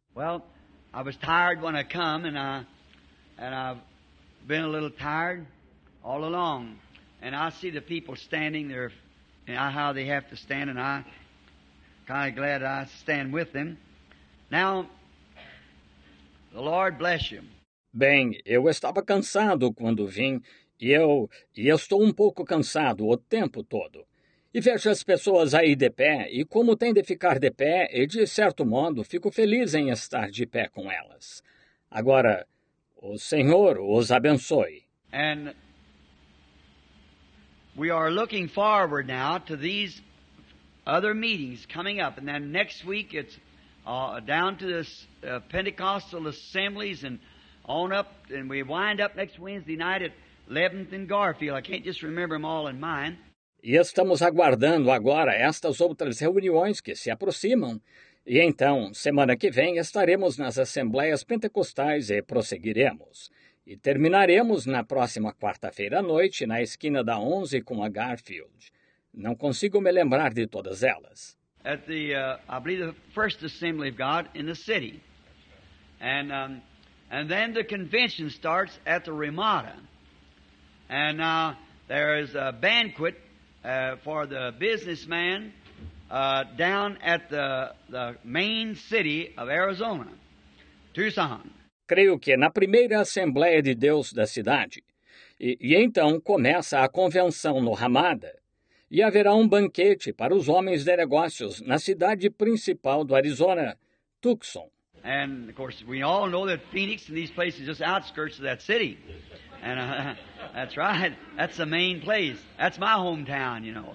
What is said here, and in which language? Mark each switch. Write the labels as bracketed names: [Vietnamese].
[English] Well, I was tired when I come, and I've been a little tired all along. And I see the people standing there, and how they have to stand, and I'm kind of glad I stand with them. Now, The Lord bless you. [Portuguese] Bem, eu estava cansado quando vim, e eu estou um pouco cansado o tempo todo. E vejo as pessoas aí de pé, e como tem de ficar de pé, e de certo modo fico feliz em estar de pé com elas. Agora, o Senhor os abençoe. [English] And we are looking forward now to these other meetings coming up. And then next week it's down to this Pentecostal assemblies and on up. And we wind up next Wednesday night at 11th and Garfield. I can't just remember them all in mind. [Portuguese] E estamos aguardando agora estas outras reuniões que se aproximam. E então, semana que vem, estaremos nas Assembleias Pentecostais e prosseguiremos. E terminaremos na próxima quarta-feira à noite, na esquina da 11, com a Garfield. Não consigo me lembrar de todas elas. [English] At the, I believe, the first Assembly of God in the city. And, and then the convention starts at the Ramada. And there is a banquet for the businessman. Down at the main city of Arizona, Tucson. [Portuguese] Creio que na primeira Assembleia de Deus da cidade. E então começa a convenção no Ramada. E haverá um banquete para os homens de negócios na cidade principal do Arizona, Tucson. [English] And of course we all know that Phoenix and these places just outskirts of that city. And that's right. That's the main place. That's my hometown, you know.